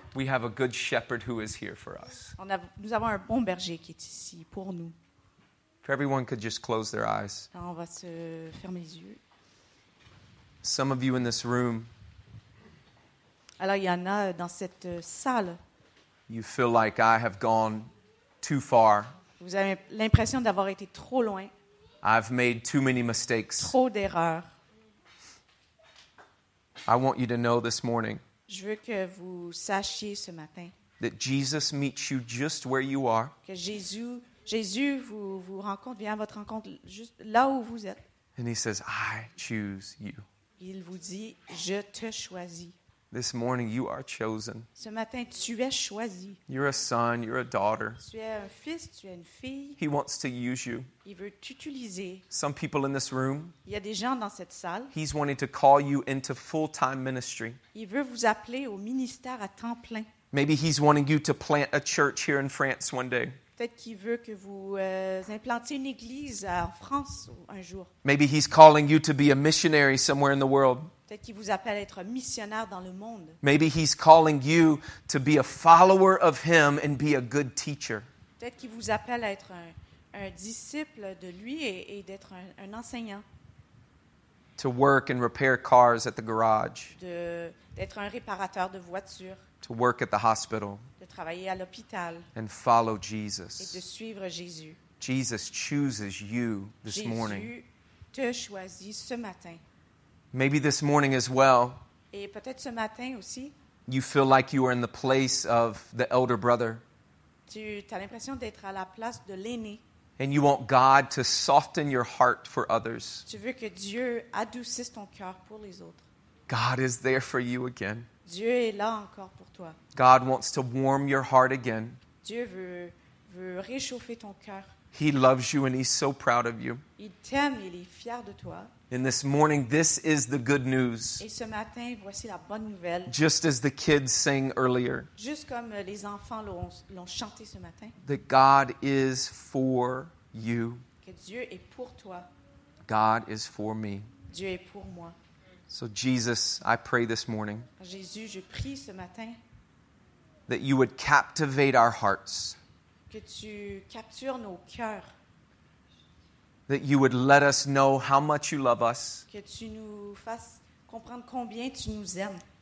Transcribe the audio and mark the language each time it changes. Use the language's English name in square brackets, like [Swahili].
[English] We have a good shepherd who is here for us. [French] Nous avons un bon berger qui est ici pour nous. [English] If everyone could just close their eyes. [French] On va se fermer les yeux. [English] Some of you in this room. [French] Alors il y en a dans cette salle. [English] You feel like I have gone too far. [French] Vous avez l'impression d'avoir été trop loin. [English] I've made too many mistakes. [French] Trop d'erreurs. [English] I want you to know this morning. [French] Je veux que vous sachiez ce matin. [English] That Jesus meets you just where you are. [French] Que Jésus vous rencontre, vient à votre rencontre juste là où vous êtes. [English] And he says, "I choose you." [French] Il vous dit, je te choisis. [English] This morning, you are chosen. [French] Ce matin, tu es choisi. [English] You're a son, you're a daughter. [French] Tu es un fils, tu es une fille. [English] He wants to use you. [French] Il veut t'utiliser. [English] Some people in this room, [French] il y a des gens dans cette salle. [English] He's wanting to call you into full-time ministry. [French] Il veut vous appeler au ministère à temps plein. [English] Maybe he's wanting you to plant a church here in France one day. [French] Peut-être qu'il veut que vous implantiez une église en France un jour. [English] Maybe he's calling you to be a missionary somewhere in the world. [French] Peut-être qu'il vous appelle à être missionnaire dans le monde. [English] Maybe he's calling you to be a follower of him and be a good teacher. [French] Peut-être qu'il vous appelle à être un disciple de lui et d'être un enseignant. [English] To work and repair cars at the garage. [French] D'être un réparateur de voitures. [English] To work at the hospital. [French] De travailler à l'hôpital. [English] And follow Jesus. [French] Et de suivre Jésus. [English] Jesus chooses you this [French] Jésus [English] morning. [French] Jésus te choisit ce matin. [English] Maybe this morning as well. [French] Et peut-être ce matin aussi. [English] You feel like you are in the place of the elder brother. [French] Tu as l'impression d'être à la place de l'aîné. [English] And you want God to soften your heart for others. [French] Tu veux que Dieu adoucisse ton cœur pour les autres. [English] God is there for you again. [French] Dieu est là encore pour toi. [English] God wants to warm your heart again. [French] Dieu veut réchauffer ton cœur. [English] He loves you and he's so proud of you. [French] Il t'aime, il est fier de toi. [English] And this morning, this is the good news. [French] Et ce matin, voici la bonne nouvelle. [English] Just as the kids sang earlier. [French] Juste comme les enfants l'ont chanté ce matin. [English] That God is for you. [French] Que Dieu est pour toi. [English] God is for me. [French] Dieu est pour moi. [English] So Jesus, I pray this morning. [French] Jésus, je prie ce matin. [English] That you would captivate our hearts. [French] Que tu captures nos cœurs. [English] That you would let us know how much you love us. [French] Que tu nous fasses comprendre combien tu nous aimes.